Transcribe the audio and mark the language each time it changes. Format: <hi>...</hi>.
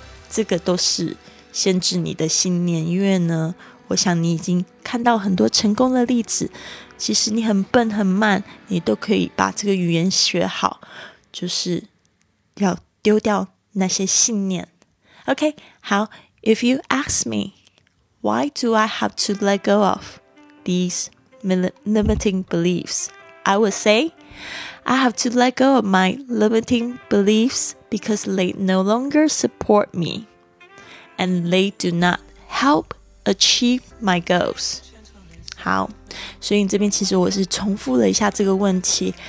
<zh>这个都是限制你的信念，因为呢我想你已经看到很多成功的例子，其实你很笨很慢你都可以把这个语言学好，就是要丢掉那些信念。</zh> <en>OK， 好， If you ask me why do I have to let go of these limiting beliefs, I would say I have to let go of my limiting beliefs because they no longer support me and they do not help achieve my goals.</en> <zh>好，所以这边其实我是重复了一下这个问题。</zh>